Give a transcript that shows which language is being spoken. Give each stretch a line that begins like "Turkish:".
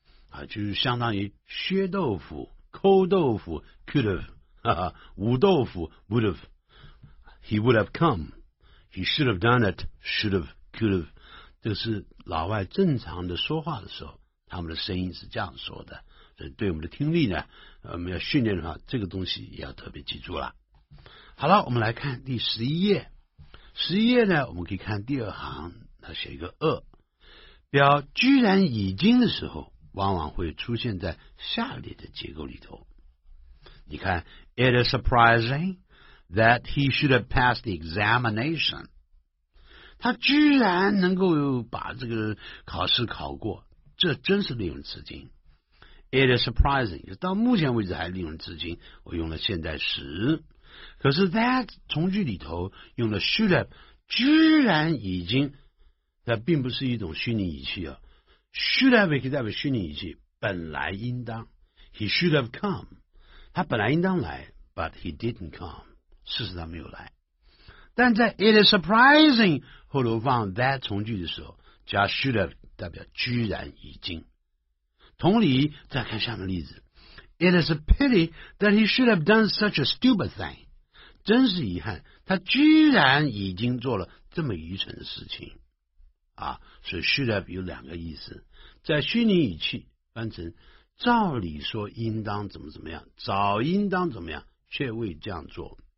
Chinese: 啊，就是相当于削豆腐、抠豆腐 ，could have， 哈哈，捂豆腐 ，would have， he would have come， he should have done it， should have，could have， 这是老外正常的说话的时候，他们的声音是这样说的，所以对我们的听力呢，我们要训练的话，这个东西也要特别记住了。好了，我们来看第十一页。十一页呢，我们可以看第二行，它写一个二。表居然已经的时候，往往会出现在下列的结构里头。
English: 你看，It is surprising that he should have passed the examination。
Chinese: 他居然能够把这个考试考过，这真是令人吃惊。 It is surprising，到目前为止还令人吃惊。我用了现在时，可是 that 从句里头用了 should have， 居然已经，那并不是一种虚拟语气啊。 Should have 可以代表虚拟语气，本来应当。 He should have come，他本来应当来 ， but he didn't come，事实上没有来。但在 it is surprising 后头放 that 从句的时候，加 should have 代表居然已经。
English: 同理，再看下面例子，It is a pity that he should have done such a stupid thing。
Chinese: 真是遗憾，他居然已经做了这么愚蠢的事情。啊，所以 should have 有两个意思，在虚拟语气翻成照理说应当怎么怎么样，早应当怎么样，却未这样做。